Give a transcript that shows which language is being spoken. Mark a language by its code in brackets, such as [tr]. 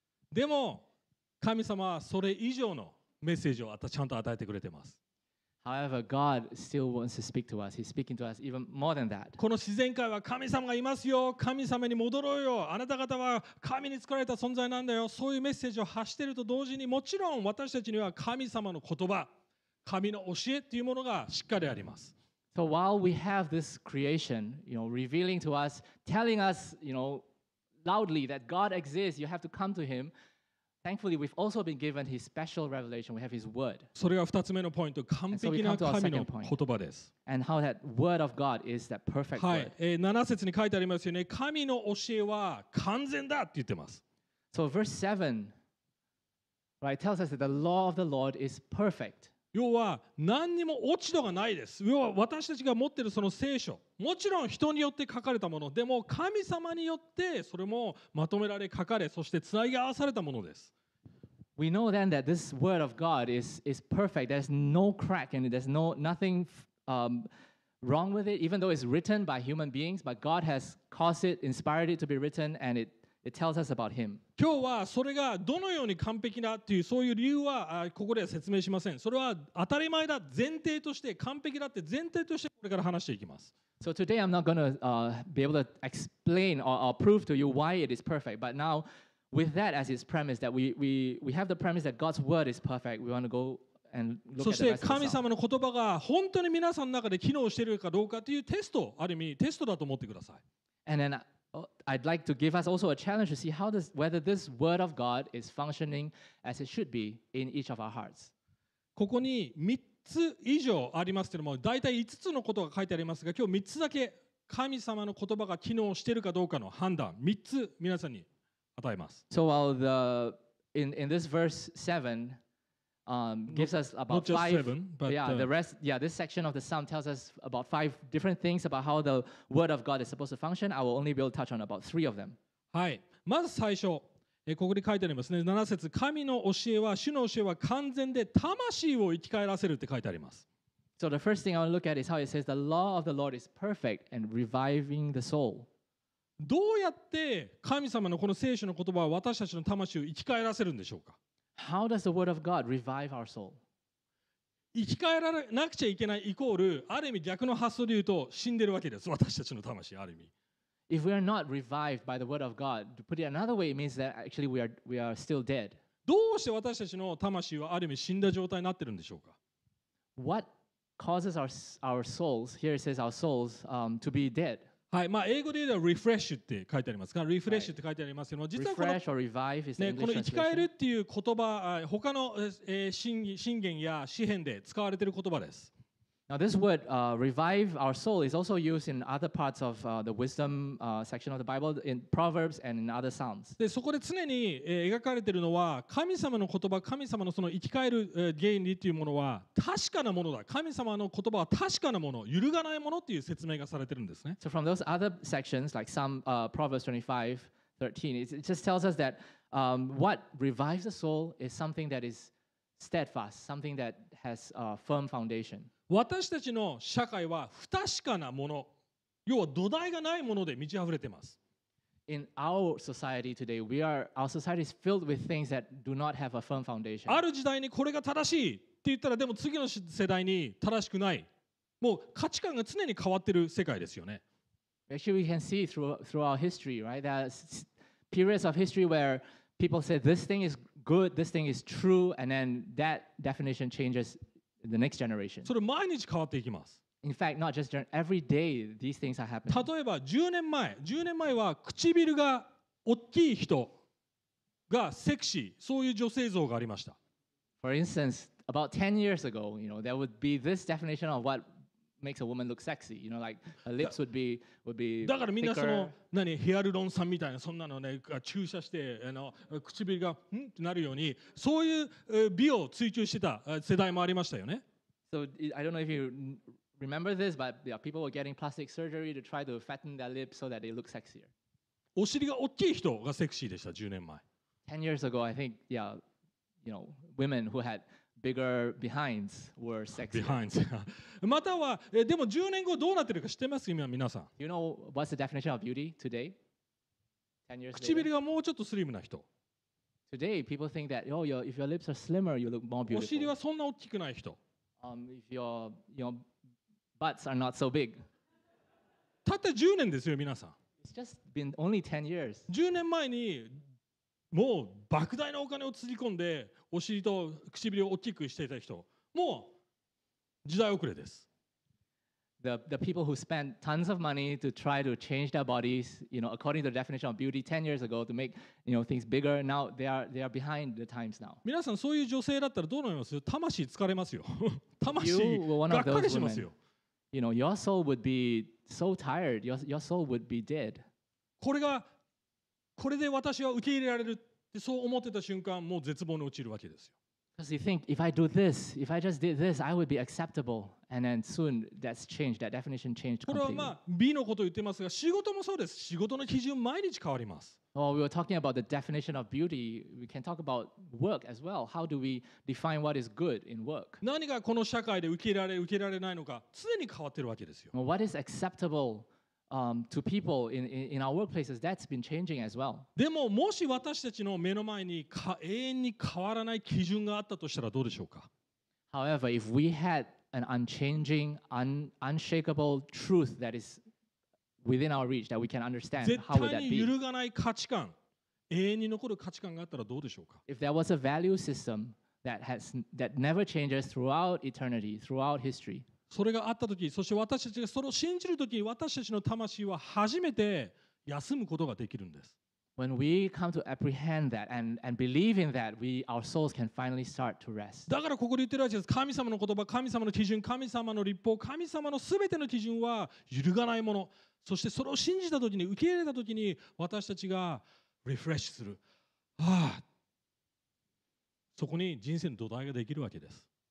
[ja] でも、神様はそれ以上のメッセージをちゃんと与えてくれてます。 [en] However, God still wants to speak to us. He's speaking to us even more than that. [ja] この自然界は神様がいますよ。神様に戻ろうよ。あなた方は神に作られた存在なんだよ。そういうメッセージを発していると同時に、もちろん私たちには神様の言葉、神の教えというものがしっかりあります。 [en] So while we have this creation, you know, revealing to us, telling us, you know, loudly that God exists, you have to come to Him. Thankfully, we've also been given His special revelation. We have His word. [ja] それが二つ目のポイント、完璧な神の言葉です。 [en] And how that word of God is that perfect word. [ja] はい、七節に書いてありますよね。神の教えは完全だって言ってます。 [en] So verse 7, right, tells us that the law of the Lord is perfect. [ja] 要は何にも落ち度がないです。要は私たちが持っているその聖書、もちろん人によって書かれたもの、でも神様によってそれもまとめられ、書かれ、そしてつなぎ合わされたものです。 [en] We know then that this word of God is perfect. There's no crack in it. There's no nothing wrong with it. Even though it's written by human beings, but God has caused it, inspired it to be written, and it tells us about Him. [ja] 今日はそれがどのように完璧なっていうそういう理由はここでは説明しません。それは当たり前だ、前提として完璧だって前提としてこれから話していきます。 [en] So today I'm not going to be able to explain or prove to you why it is perfect, but now. With that as its premise, that we have the premise that God's word is perfect, we want to go and look at the rest of the song. [ja] 神様の言葉が本当に皆さんの中で機能しているかどうかというテスト、ある意味テストだと思ってください。 [en] And then I'd like to give us also a challenge to see whether this word of God is functioning as it should be in each of our hearts. [ja] ここに3つ以上ありますけれども、大体5つのことが書いてありますが、今日3つだけ神様の言葉が機能しているかどうかの判断、3つ皆さんに。 [en] So while in this verse 7 gives us about not just five, seven, but yeah, the rest, yeah, this section of the psalm tells us about five different things about how the word of God is supposed to function. I will only be able to touch on about three of them. [ja] はい、まず最初、ここに書いてありますね。7節、神の教えは、主の教えは完全で魂を生き返らせるって書いてあります。 [en] So the first thing I want to look at is how it says the law of the Lord is perfect and reviving the soul. [ja] どうやって神様のこの聖書の言葉は私たちの魂を生き返らせるんでしょうか。 [en] How does the word of God revive our soul? [ja] 生き返らなくちゃいけないイコールある意味逆の発想で言うと死んでるわけです、私たちの魂ある意味。 [en] If we are not revived by the word of God, to put it another way, it means that actually we are still dead. [ja] どうして私たちの魂はある意味死んだ状態になってるんでしょうか。 [en] What causes our souls, here it says our souls, to be dead? [ja] はい、まあ、英語で言うと refresh って書いてありますか。refresh って書いてありますけども、実はこの [en] refresh or revive is the English translation. [ja] この生き返るっていう言葉、他の箴言や詩篇で使われている言葉です。 [en] Now this word, revive our soul, is also used in other parts of the wisdom section of the Bible, in Proverbs and in other Psalms. [ja] で、そこで常に描かれているのは、神様の言葉、神様のその生き返る原理というものは確かなものだ。神様の言葉は確かなもの、揺るがないものという説明がされているんですね。 [en] So from those other sections, like some Proverbs 25:13, it just tells us that what revives the soul is something that is steadfast, something that has a firm foundation. [ja] 私たちの社会は不確かなもの、要は土台がないもので満ち溢れています。 [en] In our society today, our society is filled with things that do not have a firm foundation. [ja] ある時代にこれが正しいって言ったら、でも次の世代に正しくない。もう価値観が常に変わってる世界ですよね。 [en] Actually, we can see through our history, right? There are periods of history where people say this thing is good, this thing is true, and then that definition changes. The next generation. [ja] それ毎日変わっていきます。 [en] In fact, not just during every day, these things are happening. [ja] 例えば10年前は唇が大きい人がセクシー、そういう女性像がありました。 [en] For instance, about 10 years ago, you know, there would be this definition of what makes a woman look sexy. You know, like her lips would be [ja] だからみんなその何ヒアルロン酸みたいなそんなのね注射して唇がんってなるようにそういう美を追求してた世代もありましたよね。 [en] So I don't know if you remember this, but yeah, people were getting plastic surgery to try to fatten their lips so that they look sexier. [ja] お尻が大きい人がセクシーでした10年前。 [en] 10 years ago, I think, yeah, you know, women who had bigger behinds were sexier. Behinds. [ja] またはでも10年後どうなってるか知ってますか今皆さん。 [en] You know what's the definition of beauty today? 10 years. [ja] 唇がもうちょっとスリムな人。 [en] Today people think that oh your if your lips are slimmer you look more beautiful. [ja] お尻はそんな大きくない人。 [en] If your butts are not so big. [ja] たった10年ですよ皆さん。 [en] It's just been only 10 years. [ja] 10年前にもう莫大なお金をつぎ込んで。お尻と唇を大きくしていた人、もう時代遅れです。 [en] The people who spent tons of money to try to change their bodies, you know, according to the definition of beauty 10 years ago to make, you know, things bigger, now they are behind the times now. [ja] 皆さんそういう女性だったらどう思います？魂疲れますよ。魂がっかりしますよ。 [en] You know, your soul would be so tired. Your soul would be dead. [ja] これで私は受け入れられる。そう思ってた瞬間、もう絶望に落ちるわけですよ。 [en] Because you think, if I do this, if I just did this, I would be acceptable. And then soon, that's changed. That definition changed completely. [ja] これはまあ、美のことを言ってますが、仕事もそうです。仕事の基準、毎日変わります。 [en] Well, we were talking about the definition of beauty. We can talk about work as well. How do we define what is good in work? [ja] 何がこの社会で受けられ、受けられないのか、常に変わってるわけですよ。 [en] Well, what is acceptable? To people in our workplaces, that's been changing as well. [ja] でももし私たちの目の前に永遠に変わらない基準があったとしたらどうでしょうか。 [en] However, if we had an unchanging, unshakable truth that is within our reach that we can understand, how would that be? [ja] 絶対に揺るがない価値観、永遠に残る価値観があったらどうでしょうか。 [en] If there was a value system that never changes throughout eternity, throughout history. [ja] それがあったとき、そして私たちがそれを信じるとき、私たちの魂は初めて休むことができるんです。 [en] When we come to apprehend that and believe in that, our souls can finally start to rest. [ja] だからここで言ってるわけです。神様の言葉、神様の基準、神様の律法、神様のすべての基準は揺るがないもの。そしてそれを信じたときに、受け入れたときに、私たちがリフレッシュする。ああ、そこに人生の土台ができるわけです。